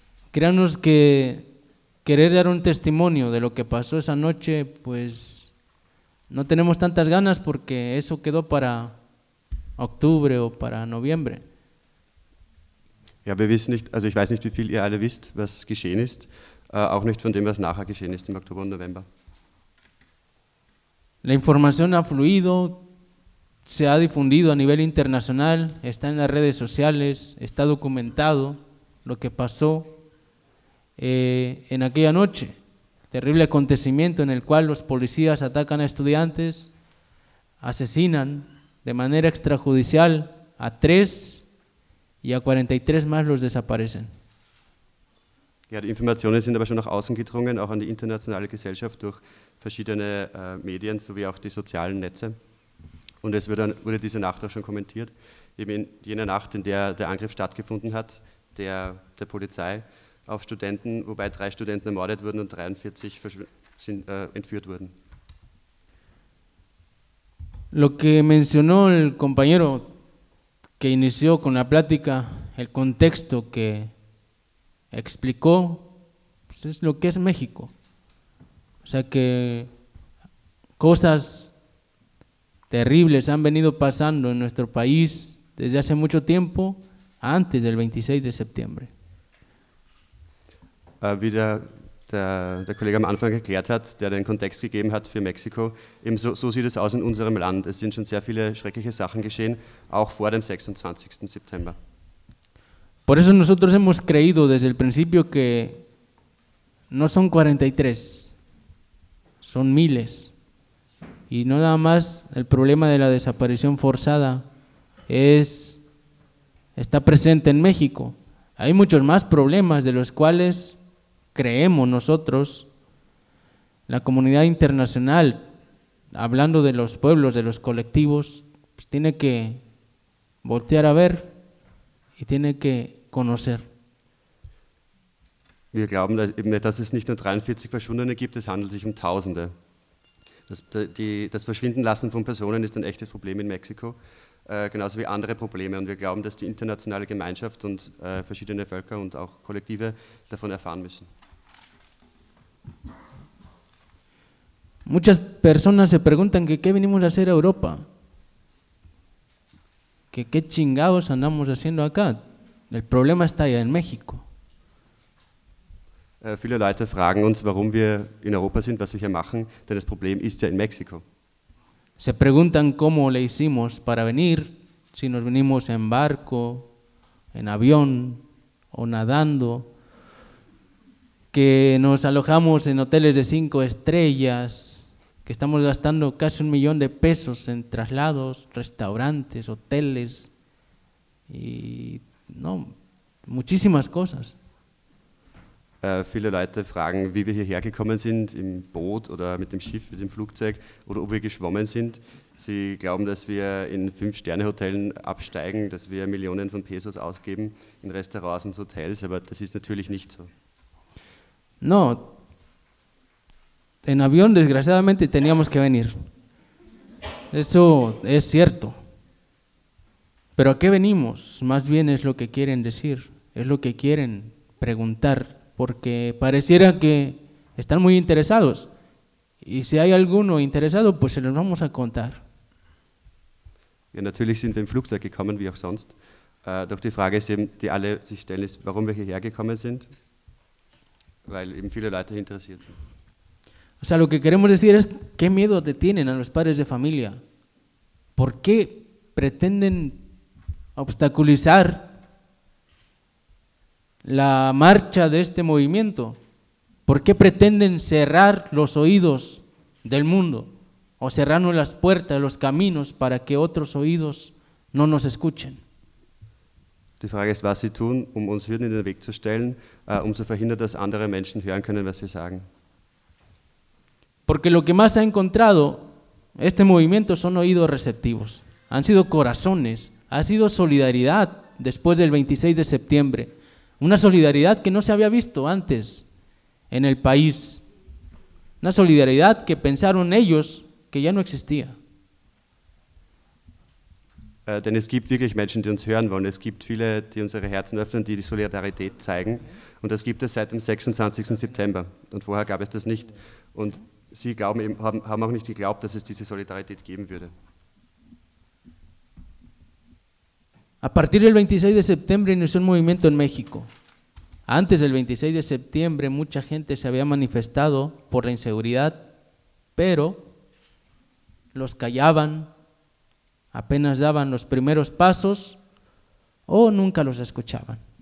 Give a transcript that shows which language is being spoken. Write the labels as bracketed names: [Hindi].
[Spanish] Créanos que querer dar un testimonio de lo que pasó esa noche, pues no tenemos tantas ganas porque eso quedó para octubre o para noviembre. [German] Ja, wir wissen nicht, also ich weiß nicht, wie viel ihr alle wisst, was geschehen ist, auch nicht von dem, was nachher geschehen ist im Oktober und November. [Spanish] La información ha fluido, se ha difundido a nivel internacional, está en las redes sociales, está documentado lo que pasó en aquella noche. Terrible acontecimiento en el cual los policías atacan a estudiantes, asesinan de manera extrajudicial a tres y a 43 más los desaparecen. [German] Ja, die Informationen sind aber schon nach außen gedrungen, auch an die internationale Gesellschaft durch verschiedene Medien sowie auch die sozialen Netze. Und es wurde diese Nacht auch schon kommentiert, eben in jener Nacht, in der der Angriff stattgefunden hat, der Polizei auf Studenten, wobei drei Studenten ermordet wurden und 43 entführt wurden. [Spanish] Lo que mencionó el compañero que inició con la plática, el contexto que explicó, pues es lo que es México. O sea que cosas terribles han venido pasando en nuestro país desde hace mucho tiempo, antes del 26 de septiembre. [German] Wie der Kollege am Anfang erklärt hat, der den Kontext gegeben hat für Mexiko, eben so sieht es aus in unserem Land. Es sind schon sehr viele schreckliche Sachen geschehen, auch vor dem 26. September. [Spanish] Por eso nosotros hemos creído desde el principio que no son 43, son miles. Y no nada más el problema de la desaparición forzada está presente en México. Hay muchos más problemas de los cuales creemos nosotros, la comunidad internacional, hablando de los pueblos, de los colectivos, pues tiene que voltear a ver y tiene que conocer. [German] Wir glauben, dass es nicht nur 43 Verschwundene gibt, es handelt sich um Tausende. Das Verschwindenlassen von Personen ist ein echtes Problem in Mexiko, genauso wie andere Probleme. Und wir glauben, dass die internationale Gemeinschaft und verschiedene Völker und auch Kollektive davon erfahren müssen. [Spanish] Muchas personas se preguntan que qué venimos a hacer a Europa, que qué chingados andamos haciendo acá. El problema está ya en México. [German] Viele Leute fragen uns, warum wir in Europa sind, was wir hier machen, denn das Problem ist ja in Mexiko. [Spanish] Se preguntan cómo le hicimos para venir, si nos venimos en barco, en avión o nadando. Que nos alojamos en hoteles de 5 estrellas, que estamos gastando casi un millón de pesos en traslados, restaurantes, hoteles y no, muchísimas cosas. [German] Viele Leute fragen, wie wir hierher gekommen sind, im Boot oder mit dem Schiff, mit dem Flugzeug oder ob wir geschwommen sind. Sie glauben, dass wir in 5-Sterne-Hotels absteigen, dass wir Millionen von Pesos ausgeben in Restaurants und Hotels, aber das ist natürlich nicht so. [Spanish] No, en avión desgraciadamente teníamos que venir, eso es cierto, pero ¿a qué venimos? Más bien es lo que quieren decir, es lo que quieren preguntar, porque pareciera que están muy interesados y si hay alguno interesado, pues se los vamos a contar. [German] Ja, natürlich sind wir im Flugzeug gekommen, wie auch sonst, doch die Frage ist eben, die alle sich stellen, ist, warum wir hierher gekommen sind. Weil eben viele Leute interessiert sind. [Spanish] O sea, lo que queremos decir es qué miedo te tienen a los padres de familia. ¿Por qué pretenden obstaculizar la marcha de este movimiento? ¿Por qué pretenden cerrar los oídos del mundo o cerrarnos las puertas, los caminos para que otros oídos no nos escuchen? [German] Die Frage ist, was sie tun, um uns Hürden in den Weg zu stellen, um zu verhindern, dass andere Menschen hören können, was wir sagen. [Spanish] Porque lo que más ha encontrado este movimiento son oídos receptivos. Han sido corazones, ha sido solidaridad después del 26 de septiembre. Una solidaridad que no se había visto antes en el país. Una solidaridad que pensaron ellos que ya no existía. [German] Denn es gibt wirklich Menschen, die uns hören wollen. Es gibt viele, die unsere Herzen öffnen, die die Solidarität zeigen. Und das gibt es seit dem 26. September. Und vorher gab es das nicht. Und sie glauben eben, haben auch nicht geglaubt, dass es diese Solidarität geben würde. [Spanish] A partir del 26 de septiembre inició un movimiento en México. Antes del 26 de septiembre mucha gente se había manifestado por la inseguridad, pero los callaban, apenas daban los primeros pasos o nunca los escuchaban.